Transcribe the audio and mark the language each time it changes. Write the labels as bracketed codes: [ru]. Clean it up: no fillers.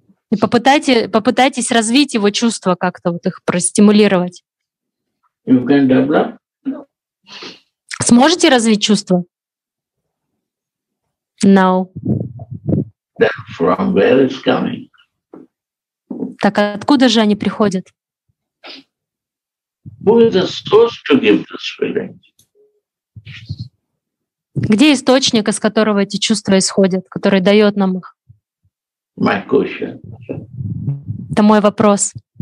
[ru] И попытайтесь развить его чувства как-то, вот их простимулировать. [en] You can develop? [ru] Сможете развить чувства? [en] No. From where it's coming? [ru] Так откуда же они приходят? [en] Who is the source to give this feeling? [ru] Где источник, из которого эти чувства исходят, который дает нам их? [en] My question. [ru] Это мой вопрос.